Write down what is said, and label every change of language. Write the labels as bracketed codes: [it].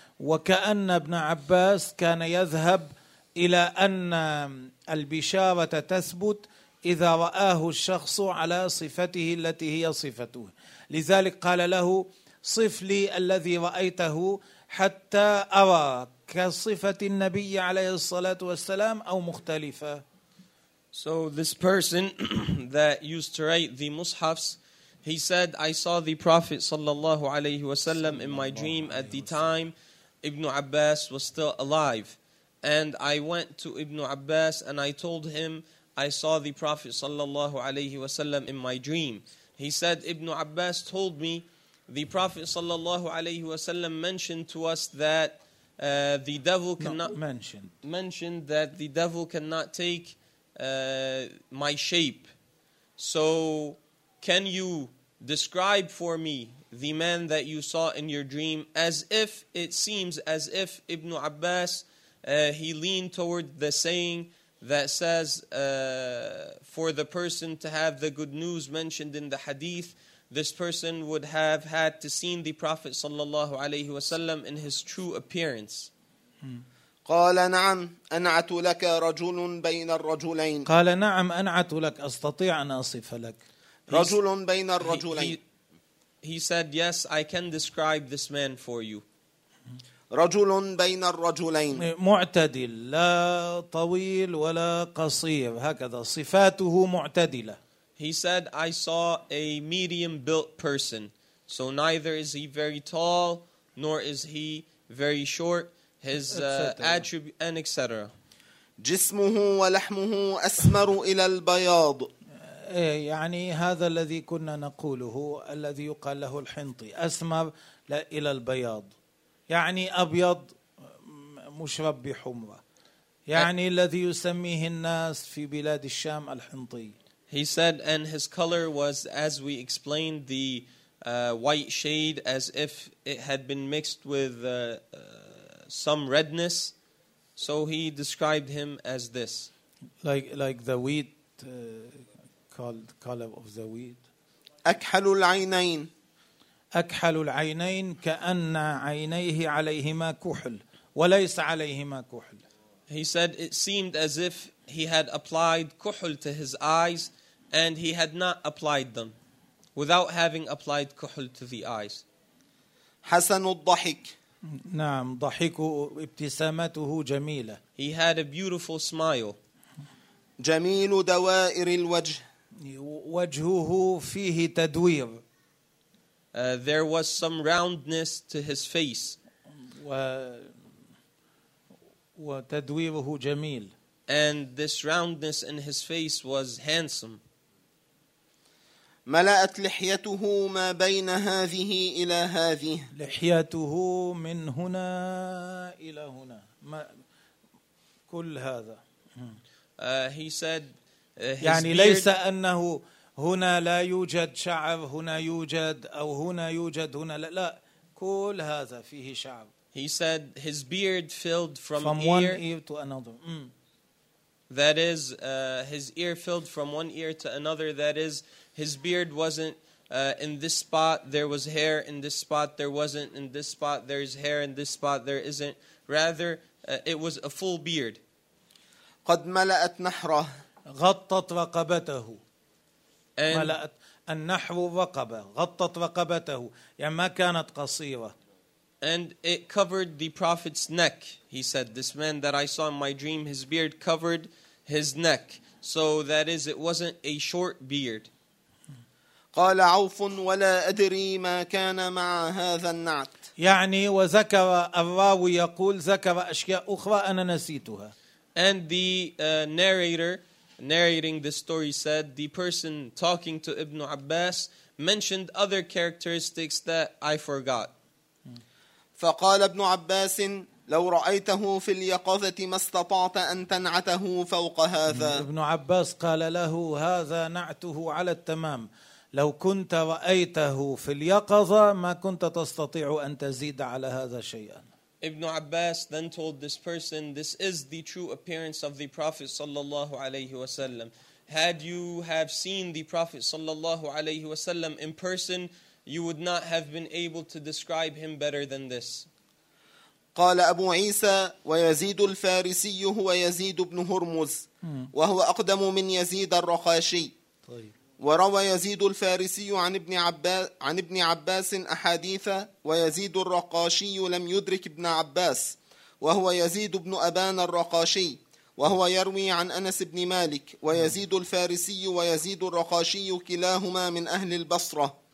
[ar] وكأن ابن عباس كان يذهب إلى أن البشارة تثبت إذا رآه الشخص على صفته التي هي صفته، لذلك قال له صف لي الذي رأيته حتى أرى كصفة النبي عليه الصلاة والسلام أو مختلفة. [en] So this person that used to write the mushafs, he said, I saw the Prophet صلى الله عليه وسلم in my dream at the time Ibn Abbas was still alive. And I went to Ibn Abbas and I told him, I saw the Prophet sallallahu alayhi wa sallam in my dream. He said, Ibn Abbas told me, the Prophet sallallahu alayhi wa sallam mentioned to us that the devil cannot... Mentioned that the devil cannot take my shape. So can you describe for me the man that you saw in your dream, as if it seems as if Ibn Abbas, he leaned toward the saying that says, for the person to have the good news mentioned in the hadith, this person would have had to see the Prophet sallallahu alayhi wa sallam in his true appearance. [ar] قال نعم أنعت لك رجل بين الرجلين. قال نعم أنعت لك أستطيع أن أصف لك. رجل بين الرجلين. [en] He said, yes, I can describe this man for you. [ar] رجل بين الرجلين. معتدل لا طويل ولا قصير هكذا صفاته معتدلة. [en] He said, I saw a medium built person. So neither is he very tall nor is he very short. His attribute and etc. [ar] جسمه ولحمه أسمر إلى البياض. يعني هذا الذي كنا نقوله الذي يقال له الحنطي أسمر إلى البياض يعني أبيض مشرب بحمرة يعني الذي يسميه الناس في بلاد الشام الحنطي. [en] He said, and his color was, as we explained, the white shade, as if it had been mixed with some redness. So he described him as this. Like the wheat, called color of the wheat. [ar] أكحل العينين. أكحل العينين كأن عينيه عليهما كحل وليس عليهما كحل. [en] He said it seemed as if he had applied kuhl to his eyes and he had not applied them without having applied kuhl to the eyes. [ar] حسن الضحك. نعم ضحكه ابتسامته جميلة. [en] He had a beautiful smile. [ar] جميل دوائر الوجه. وجهه فيه تدوير. [en] There was some roundness to his face. [ar] وتدويره جميل. [en] And this roundness in his face was handsome. [ar] ملأت لحيته ما بين هذه إلى هذه. لحيته من هنا إلى هنا. ما كل هذا. [en] He said. [ar] يعني ليس أنه هنا لا يوجد شعر هنا يوجد أو هنا يوجد هنا لا كل هذا فيه شعر. [en] He said his beard filled from one ear to another. That is, his ear filled from one ear to another. That is, his beard wasn't in this spot, there was hair in this spot, there wasn't in this spot, there's hair in this spot, there isn't. Rather, it was a full beard. [ar] قد ملأت نحره. غطت رقبته. ملأت النحر رقبة. غطت رقبته. يعني ما كانت قصيرة. [en] And it covered the prophet's neck, he said. This man that I saw in my dream, his beard covered his neck. So that is, it wasn't a short beard. [ar] قال عوف ولا أدري ما كان مع هذا النعت. يعني وذكر الراوي يقول ذكر أشياء أخرى أنا نسيتها. [en] And the narrator, narrating this story, said the person talking to Ibn Abbas mentioned other characteristics that I forgot. [ar] فقال ابن عباس لو رأيته في اليقظة ما استطعت أن تنعته فوق هذا. ابن عباس قال له هذا نعته على التمام. لو كنت رأيته في اليقظة ما كنت تستطيع أن تزيد على هذا شيئا. [en] ابن عباس then told this person, this is the true appearance of the Prophet صلى الله عليه وسلم. Had you have seen the Prophet صلى الله عليه وسلم in person, you would not have been able to describe him better than this. [ar] قال أبو عيسى ويزيد الفارسي هو يزيد بن هرمز وهو أقدم من يزيد الرقاشي. وروى يزيد الفارسي عن ابن عباس أحاديث ويزيد الرقاشي لم يدرك ابن عباس وهو يزيد بن أبان الرقاشي وهو يروي عن أنس بن مالك ويزيد الفارسي ويزيد الرقاشي كلاهما من أهل البصرة.